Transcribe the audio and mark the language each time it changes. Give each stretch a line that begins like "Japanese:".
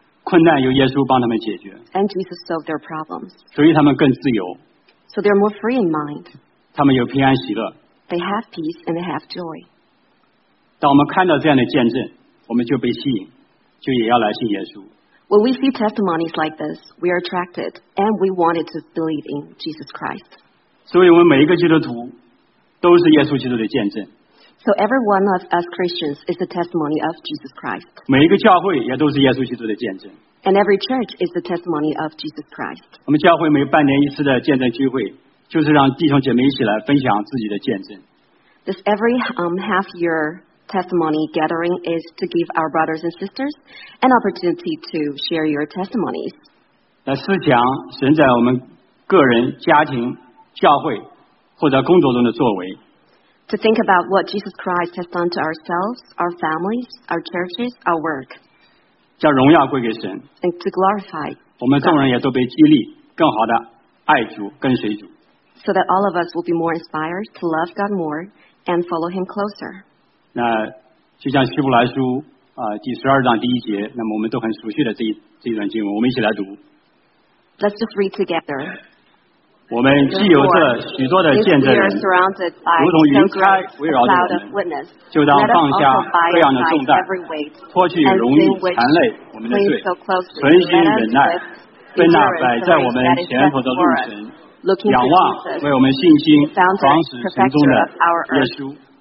Chinese: 困难由耶稣帮他们解决。
English: And Jesus solved their problems.
Chinese: 所以他们更自由。
English: So they're more free in mind.
Chinese: 他们有平安喜乐。
English: They have peace and they have joy.
Chinese: 当我们看到这样的见证，我们就被吸引，就也要来信耶稣。
English: When we see testimonies like this, we are attracted and we wanted to believe in Jesus Christ.
Chinese: 所以我们每一个基督徒都是耶稣基督的见证。
English: So every one of us Christians is a testimony of Jesus Christ.
Chinese: 每一个教会也都是耶稣基督的见证。
English: And every church is a testimony of Jesus Christ.
Chinese: 我们教会每半年一次的见证聚会，就是让弟兄姐妹一起来分享自己的见证。
English: This every half year testimony gathering is to give our brothers and sisters an opportunity to share your testimonies.
Chinese: 来思想神在我们个人、家庭、教会或者工作中的作为。
English: To think about what Jesus Christ has done to ourselves, our families, our churches, our work.
Chinese: 叫荣耀归给神。
English: And to glorify.
Chinese: 我们众人也都被激励，更好的爱主，跟随主。
English: So that all of us will be more inspired to love God more and follow Him closer.
Chinese: 那就像希伯来书第十二章第一节，那么我们都很熟悉的这一段经文，我们一起来读。
English: Let's just read together.
Chinese: 我们既有这许多的见证人，如同云彩围绕着我们，就当放下各样的重担，脱去荣誉残累我们的罪，存心忍耐，奔那摆在我们前头的路程，仰望为我们信心创始成终的耶稣。